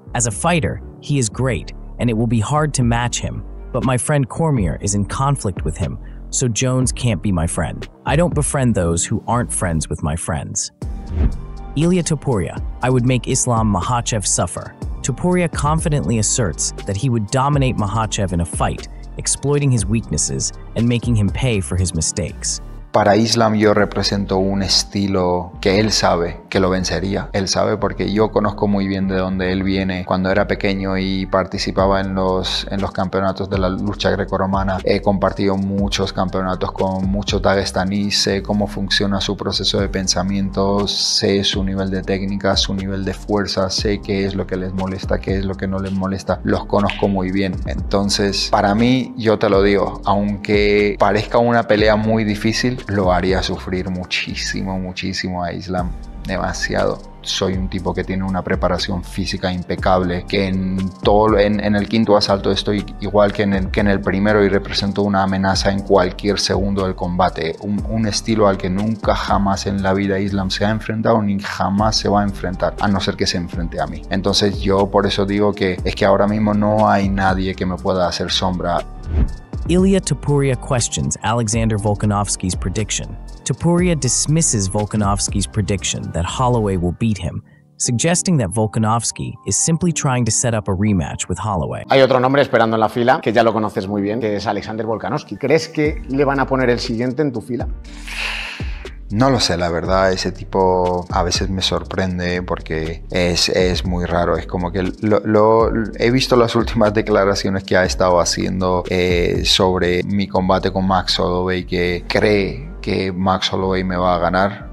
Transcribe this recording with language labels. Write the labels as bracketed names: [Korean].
[English] As a fighter, he is great, and it will be hard to match him, but my friend Cormier is in conflict with him, so Jones can't be my friend. I don't befriend those who aren't friends with my friends." Ilya Topuria, "I would make Islam Makhachev suffer." Topuria confidently asserts that he would dominate Makhachev in a fight, exploiting his weaknesses and making him pay for his mistakes. [Spanish] Para Islam yo represento un estilo que él sabe que lo vencería. Él sabe porque yo conozco muy bien de dónde él viene. Cuando era pequeño y participaba en los campeonatos de la lucha grecorromana, he compartido muchos campeonatos con muchos dagestaníes. Sé cómo funciona su proceso de pensamiento, sé su nivel de técnica, su nivel de fuerza, sé qué es lo que les molesta, qué es lo que no les molesta. Los conozco muy bien. Entonces, para mí, yo te lo digo, aunque parezca una pelea muy difícil, lo haría sufrir muchísimo, muchísimo a Islam, demasiado. Soy un tipo que tiene una preparación física impecable, que en el quinto asalto estoy igual que en el primero y represento una amenaza en cualquier segundo del combate. Un estilo al que nunca jamás en la vida Islam se ha enfrentado ni jamás se va a enfrentar, a no ser que se enfrente a mí. Entonces yo por eso digo que es que ahora mismo no hay nadie que me pueda hacer sombra. [English] Ilya Topuria questions Alexander Volkanovski's prediction. Topuria dismisses Volkanovski's prediction that Holloway will beat him, suggesting that Volkanovski is simply trying to set up a rematch with Holloway. [Spanish] Hay otro nombre esperando en la fila que ya lo conoces muy bien, que es Alexander Volkanovski. ¿Crees que le van a poner el siguiente en tu fila? No lo sé, la verdad, ese tipo a veces me sorprende porque es muy raro. Es como que he visto las últimas declaraciones que ha estado haciendo sobre mi combate con Max Holloway, que cree que Max Holloway me va a ganar.